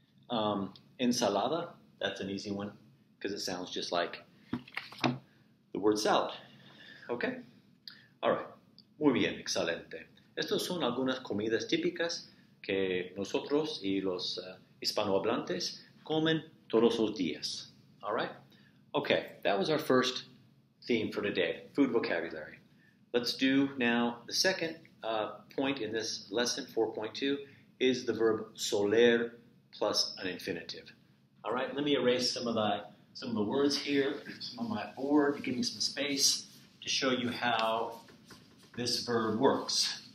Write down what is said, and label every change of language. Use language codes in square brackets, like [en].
[en] Ensalada, that's an easy one because it sounds just like the word salad. Okay? All right. [es] Muy bien, excelente. Estas son algunas comidas típicas que nosotros y los hispanohablantes comen todos los días. [en] All right? Okay, that was our first theme for today, food vocabulary. Let's do now the second point in this lesson, 4.2, is the verb soler plus an infinitive. All right, let me erase some of the words here, some of my board, give me some space to show you how this verb works.